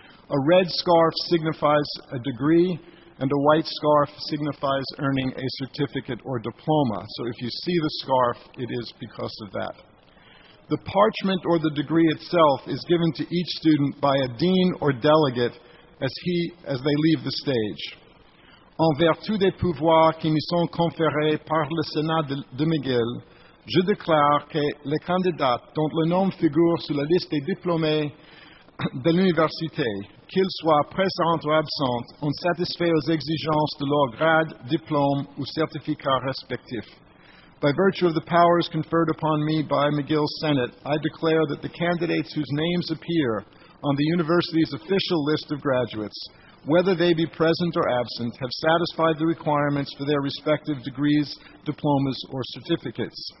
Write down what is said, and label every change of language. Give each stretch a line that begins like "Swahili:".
English: A red scarf signifies a degree, and a white scarf signifies earning a certificate or diploma. So if you see the scarf, it is because of that. The parchment or the degree itself is given to each student by a dean or delegate as they leave the stage.
French: En vertu des pouvoirs qui me sont conférés par le Sénat de McGill, je déclare que les candidats dont le nom figure sur la liste des diplômés de l'université, qu'ils soient présents ou absents, ont satisfait aux exigences de leur grade, diplôme ou certificat respectif.
English: By virtue of the powers conferred upon me by McGill's Senate, I declare that the candidates whose names appear on the university's official list of graduates, whether they be present or absent, have satisfied the requirements for their respective degrees, diplomas, or certificates.